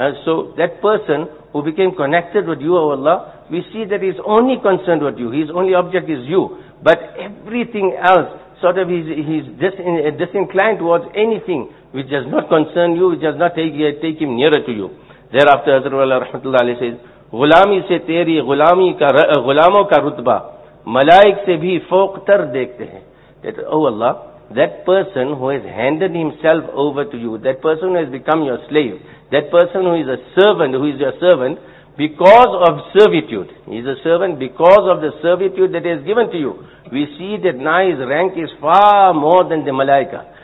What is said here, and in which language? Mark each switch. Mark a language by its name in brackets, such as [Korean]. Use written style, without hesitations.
[English] So that person who became connected with you, O Allah, we see that he's only concerned with you. His only object is you. But everything else, sort of he's disinclined towards anything which does not concern you, which does not take him nearer to you. Thereafter, Hazrat Rahmatullah says, [Urdu] غلامی سے تیری غلامی کا غلاموں کا رتبہ ملائک سے بھی فوق تر دیکھتے ہیں. [English] That, oh Allah, that person who has handed himself over to you, that person who has become your slave, that person who is a servant, who is your servant, because of servitude, he is a servant because of the servitude that he has given to you, we see that now his rank is far more than the malaika.